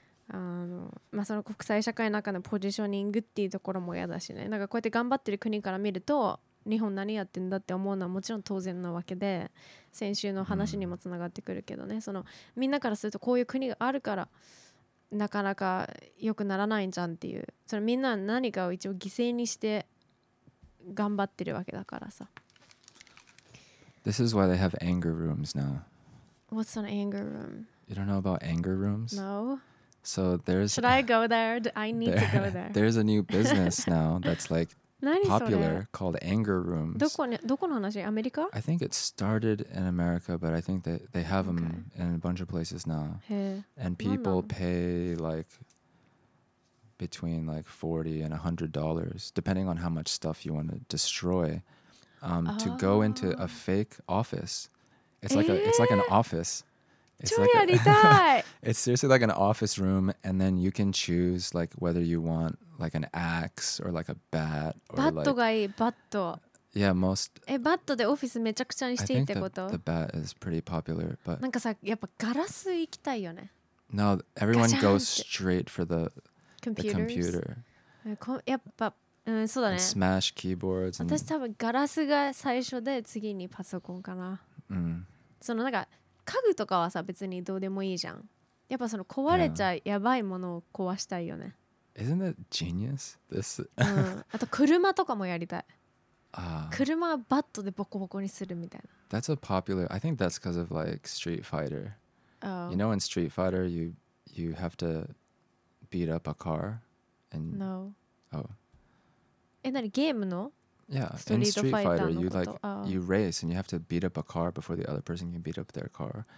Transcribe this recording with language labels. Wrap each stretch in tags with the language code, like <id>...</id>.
<ja>その国際社会の中のポジショニングっていうところも嫌だしね、なんかこうやって頑張ってる国から見ると日本何やってんだって思うのはもちろん当然なわけで、先週の話にもつながってくるけどね、そのみんなからするとこういう国があるからなかなか良くならないんじゃんっていう、それみんな何かを一応犠牲にして頑張ってるわけだからさ。</ja> <en>This is why they have anger rooms now. What's an anger room? You don't know about anger rooms? No. So there's... Should I go there? I need to go there. There's a new business now that's like popular called anger rooms.</en> <ja>どこの話？アメリカ？</ja> <en>I think it started in America, but I think they have them in a bunch of places now. And people pay like between like $40 and $100, depending on how much stuff you want to destroy, to go into a fake office. It's like an office. It's seriously like an office room, and then you can choose like whether you want like an axe or like a bat.</en> <ja>バットがいい、バット。</ja> <en>Yeah, most.</en> <ja>え、バットでオフィスめちゃくちゃにしていいってこと?</ja> <en>I think the bat is pretty popular, but.</en> <ja>なんかさ、やっぱガラス行きたいよね。</ja> <en>No, everyone goes straight for the computer.</en> <ja>やっぱ、うん、そうだね。</ja> <en>Smash keyboards.</en> <ja>私多分ガラスが最初で次にパソコンかな。うん。そのなんか家具とかはさ別にどうでもいいじゃん。やっぱその壊れちゃやばいものを壊したいよね。</ja> <en>Yeah. Isn't that genius? This.</en> <ja>うん。あと車とかもやりたい。車をバットでボコボコにするみたいな。</ja> <en>That's a popular. I think that's because of like Street Fighter. Oh. You know in Street Fighter you have to beat up a car and No. Oh.</en> <ja>え、なにゲームの?</ja> <en>Yeah, in Street Fighter you like you race and you have to beat up a car before the other person can beat up their car.</en>